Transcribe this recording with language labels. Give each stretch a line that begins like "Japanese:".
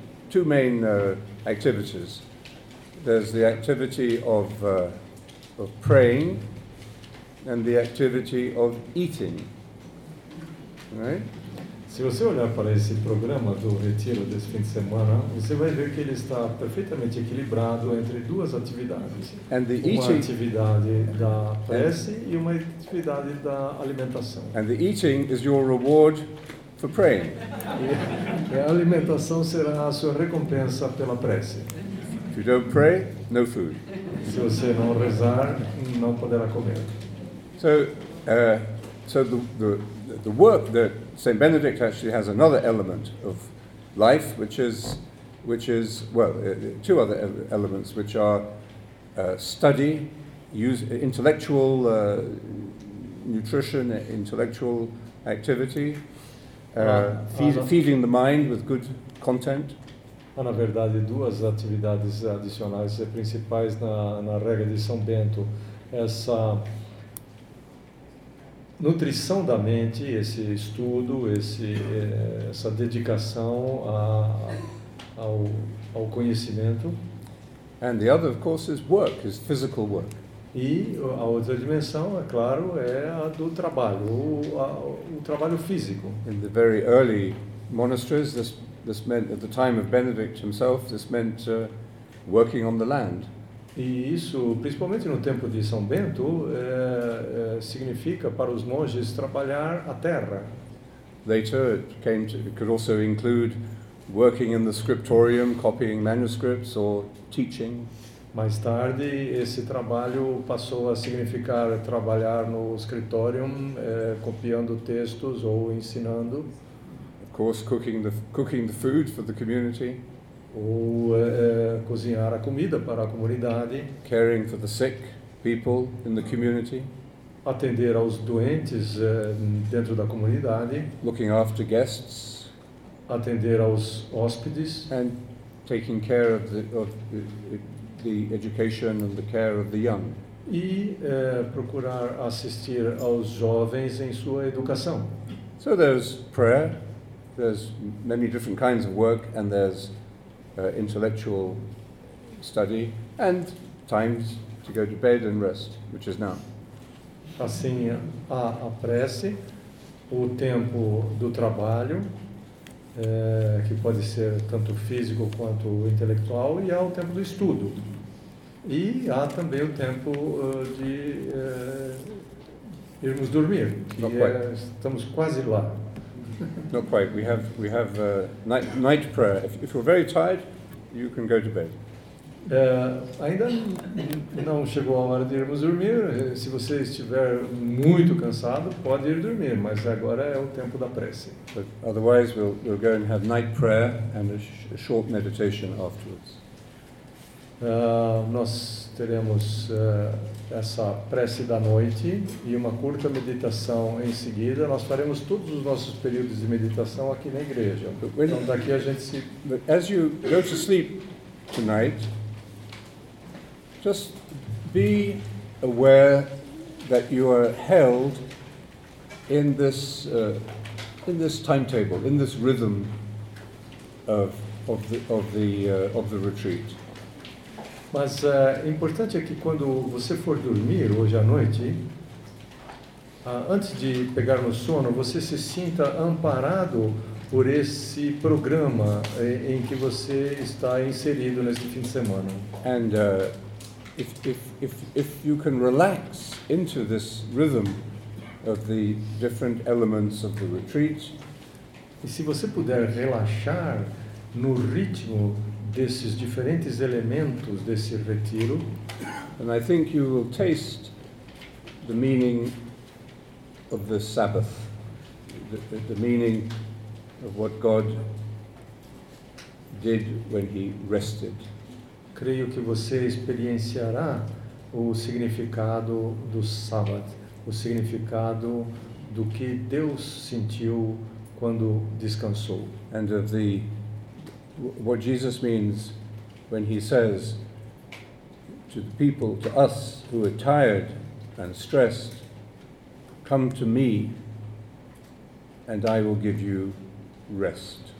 English: Two main activities. There's the activity of praying, and the activity of eating. Right?
Portuguese: Se você olhar para esse programa do retiro desse fim de semana, você vai ver que ele está perfeitamente equilibrado entre duas atividades.
English: And the eating,
Portuguese: uma atividade da prece e uma atividade da alimentação.
English: And the eating is your reward for praying.
Portuguese: E a alimentação será a sua recompensa pela prece.
English: If you don't pray, no food.
Portuguese: Se você não rezar, não poderá comer.
English: So the work that Saint Benedict actually has another element of life, two other elements, which are study, use intellectual nutrition, intellectual activity. Feeding the mind with good content.
Portuguese: Há, na verdade, duas atividades adicionais e principais na regra de São Bento. Essa nutrição da mente, esse estudo, essa dedicação ao conhecimento.
English: And the other, of course, is work, is physical work.
Portuguese: E a outra dimensão, é claro, é a do trabalho, o trabalho físico.
English: In the very early monasteries, this meant, at the time of Benedict himself, this meant working on the land.
Portuguese: E isso, principalmente no tempo de São Bento, significa para os monges trabalhar a terra.
English: Later, it could also include working in the scriptorium, copying manuscripts or teaching.
Portuguese: Mais tarde, esse trabalho passou a significar trabalhar no scriptorium, copiando textos ou ensinando.
English: Of course, cooking the food for the community.
Portuguese: Ou cozinhar a comida para a comunidade.
English: Caring for the sick people in the community.
Portuguese: Atender aos doentes dentro da comunidade.
English: Looking after guests.
Portuguese: Atender aos hóspedes.
English: And taking care of the education and the care of the young.
Portuguese: E procurar assistir aos jovens em sua educação.
English: So there's prayer, there's many different kinds of work, and there's intellectual study, and times to go to bed and rest, which is now.
Portuguese: Assim, a prece, o tempo do trabalho, que pode ser tanto físico quanto intelectual, e há o tempo do estudo. E há também o tempo de irmos dormir, estamos quase lá.
English: Not quite. We have night prayer. If you're very tired, you can go to bed.
Portuguese: Ainda não chegou a hora de irmos dormir. Se você estiver muito cansado, pode ir dormir, mas agora é o tempo da prece.
English: But otherwise, we'll go and have night prayer and a short meditation afterwards.
Portuguese: Nós teremos essa prece da noite e uma curta meditação em seguida. Nós faremos todos os nossos períodos de meditação aqui na igreja. Então daqui a gente se...
English: But as you go to sleep tonight, just be aware that you are held in this timetable, in this rhythm of the retreat.
Portuguese: Mas o importante é que quando você for dormir hoje à noite, antes de pegar no sono, você se sinta amparado por esse programa em que você está inserido neste fim de semana.
English: And if you can relax into this rhythm of the different elements of the retreat,
Portuguese: e se você puder relaxar no ritmo desses diferentes elementos desse retiro,
English: and I think you will taste the meaning of the Sabbath, the meaning of what God did when he rested.
Portuguese: Creio que você experienciará o significado do sábado, o significado do que Deus sentiu quando descansou.
English: And of the what Jesus means when he says to the people, to us who are tired and stressed, come to me and I will give you rest.